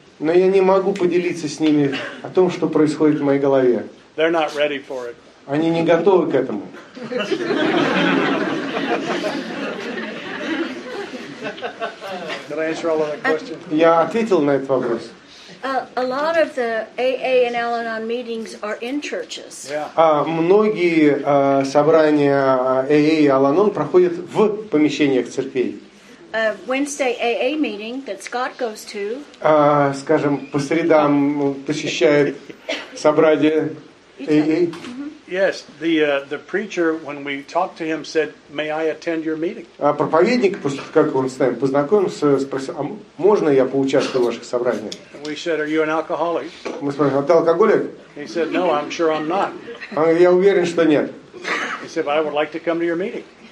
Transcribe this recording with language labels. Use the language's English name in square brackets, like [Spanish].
[Russian] Но я не могу поделиться с ними о том, что происходит в моей голове. [English] They're not ready for it. [Russian] Они не готовы к этому. [English] Did I answer all of that question? [Russian] Я ответил на этот вопрос. [English] A lot of the AA and Al-Anon meetings are in churches. [Russian] Многие собрания AA и Al-Anon проходят в помещениях церквей. [English] Wednesday AA meeting that Scott goes to. [Russian] Скажем, по средам посещает собрание AA. [English] Yes, the preacher when we talked to him said, "May I attend your meeting?" [Russian] Проповедник после как он с нами познакомился, спросил, а можно я поучаствую в ваших собраниях? [English] We said, "Are you an alcoholic?" [Russian] Мы спросили, а ты алкоголик? [English] He said, "No, I'm sure I'm not." [Russian] Я уверен, что нет. [English] He said, "I would like to come to your meeting."